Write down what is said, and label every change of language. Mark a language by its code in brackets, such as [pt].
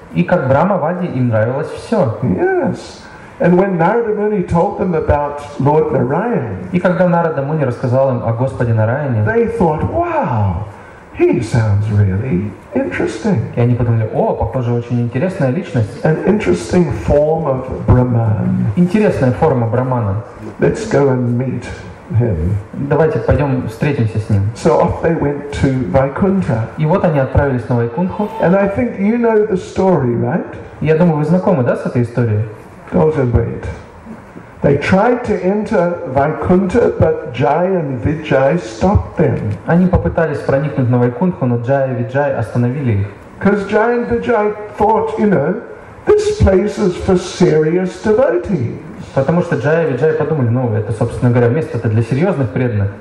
[ru] И как Брахмавади им нравилось все. [en] Yes. And when Narada Muni told them about Lord Narayan, [ru] и когда Нарада Муни рассказал им о Господе Нараяне, [en] they thought, "Wow, he sounds really interesting." [ru] И они подумали: "О, похоже, очень интересная личность." [en] An interesting form of Brahman. [ru] Интересная форма Брахмана. [en] Let's go and meet him. [ru] Давайте пойдем встретимся с ним. [en] So off they went to Vaikuntha. [ru] И вот они отправились на Вайкунху. [en] And I think you know the story, right? [ru] Я думаю, вы знакомы, да, с этой историей? [en] Don't wait. They tried to enter Vaikuntha, but Jai and Vijay stopped them. [ru] Они попытались проникнуть на Вайкунху, но Джай и Виджай остановили их. [en] Because Jai and Vijay thought, you know, this place is for serious devotees. [ru] Потому что Джай и Виджай подумали, ну это, собственно говоря, место-то для серьезных преданных.